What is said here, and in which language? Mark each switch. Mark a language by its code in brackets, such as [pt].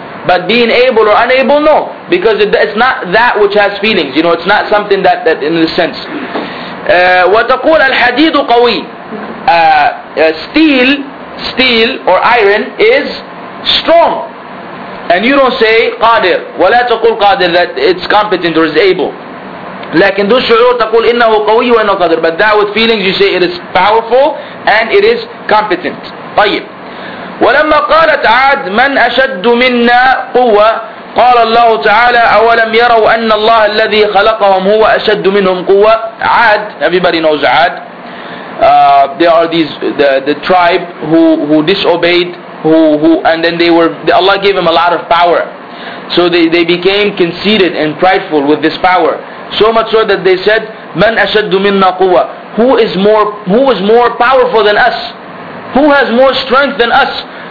[en] But being able or unable, no. Because it's not that which has feelings. You know, it's not something that in the sense. [ar] وتقول الحديد قوي. [en] Steel or iron is strong. And you don't say قادر. [ar] ولا تقول قادر, [en] that it's competent or is able. [ar] لكن ذو شعور تقول إنه قوي وإنه قادر. [en] But that with feelings you say it is powerful and it is competent. [ar] طيب. ولما قالت عاد من أشد منا قوة, قال الله تعالى أولم يروا أن الله الذي خلقهم هو أشد منهم قوة. [en] عاد, everybody knows عاد. There are these the tribe who disobeyed, who and then they were, Allah gave them a lot of power, so they became conceited and prideful with this power, so much so that they said [ar] من أشد منا قوة, [en] who is more powerful than us, who has more strength than us.